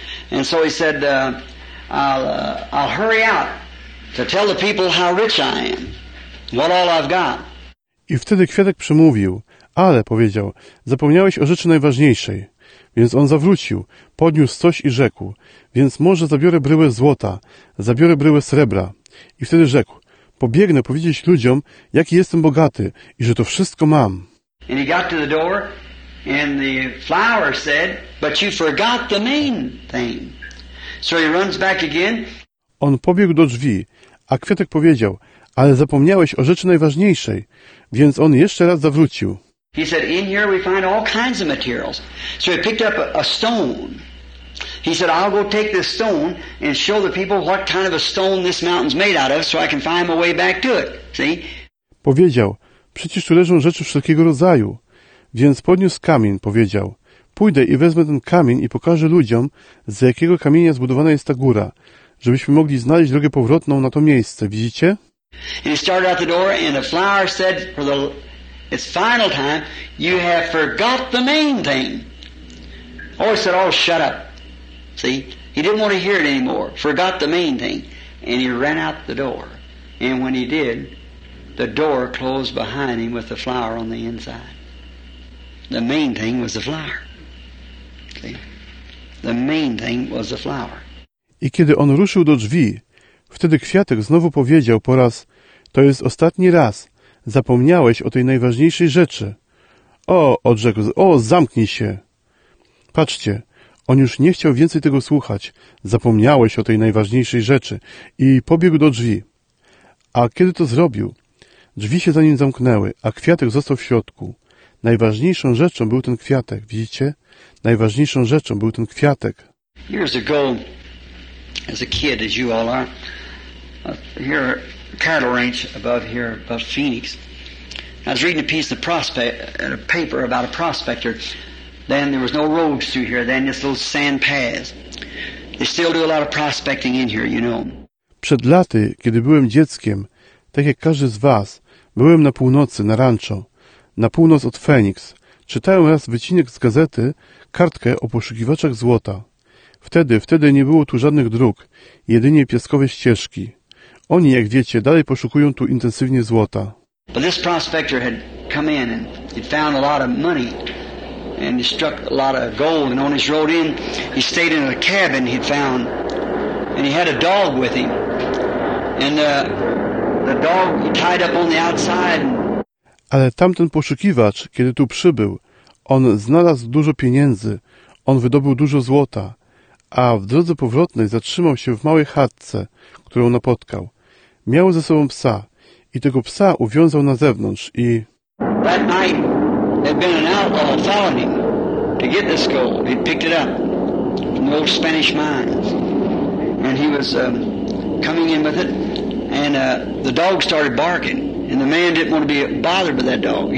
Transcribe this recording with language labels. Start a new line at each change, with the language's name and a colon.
English: And so he said, I'll hurry out to tell the people how rich I am, what all I've got."
Polish: I wtedy kwiatek przemówił, ale, powiedział, zapomniałeś o rzeczy najważniejszej. Więc on zawrócił, podniósł coś i rzekł, więc może zabiorę bryłę złota, zabiorę bryłę srebra. I wtedy rzekł, pobiegnę powiedzieć ludziom, jaki jestem bogaty i że to wszystko mam.
English: And he got to the door. And the flower said, "But you forgot the main thing." So he runs back again.
Polish: On pobiegł do drzwi, a kwiatek powiedział, ale zapomniałeś o rzeczy najważniejszej, więc on jeszcze raz zawrócił.
English: He said, "In here we find all kinds of materials." So he picked up a stone. He said, "I'll go take this stone and show the people what kind of a stone this mountain's made out of, so I can find my way back to it." See?
Polish: Powiedział, przecież tu leżą rzeczy wszelkiego rodzaju. Więc podniósł kamień, powiedział, pójdę i wezmę ten kamień i pokażę ludziom, z jakiego kamienia zbudowana jest ta góra, żebyśmy mogli znaleźć drogę powrotną na to miejsce, widzicie?
English: And he started out the door and the flower said, "For the it's final time, you have forgot the main thing." Oh, he said, "Oh, shut up." See, he didn't want to hear it anymore, forgot the main thing. And he ran out the door. And when he did, the door closed behind him with the flower on the inside. The main thing was the flower. See? The main thing was the flower.
Polish: I kiedy on ruszył do drzwi, wtedy kwiatek znowu powiedział po raz, to jest ostatni raz, zapomniałeś o tej najważniejszej rzeczy. O, odrzekł, o, zamknij się. Patrzcie, on już nie chciał więcej tego słuchać, zapomniałeś o tej najważniejszej rzeczy i pobiegł do drzwi. A kiedy to zrobił, drzwi się za nim zamknęły, a kwiatek został w środku. Najważniejszą rzeczą był ten kwiatek, widzicie? Najważniejszą rzeczą był ten kwiatek.
English: Years ago, as a kid, as you all are, here a cattle ranch above here, above Phoenix. I was reading a piece of prospect, a paper about a prospector. Then there was no roads through here, then just little sand paths. They still do a lot of prospecting in here, you know.
Polish: Przed laty, kiedy byłem dzieckiem, tak jak każdy z was, byłem na północy, na rancho. Na północ od Phoenix czytałem raz wycinek z gazety, kartkę o poszukiwaczach złota. Wtedy nie było tu żadnych dróg, jedynie piaskowe ścieżki. Oni, jak wiecie, dalej poszukują tu intensywnie złota.
English: But this prospector had come in and he found a lot of money and he struck a lot of gold, and on his road in he stayed in a cabin he'd found, and he had a dog with him, and the dog he tied up on the outside.
Polish: Ale tamten poszukiwacz, kiedy tu przybył, on znalazł dużo pieniędzy, on wydobył dużo złota, a w drodze powrotnej zatrzymał się w małej chatce, którą napotkał. Miał ze sobą psa i tego psa uwiązał na zewnątrz i...
English: That night had been an outlaw following him to get this gold. He picked it up from the old Spanish mines. And he was coming in with it, and the dog started barking. And the man didn't want to be bothered by that dog.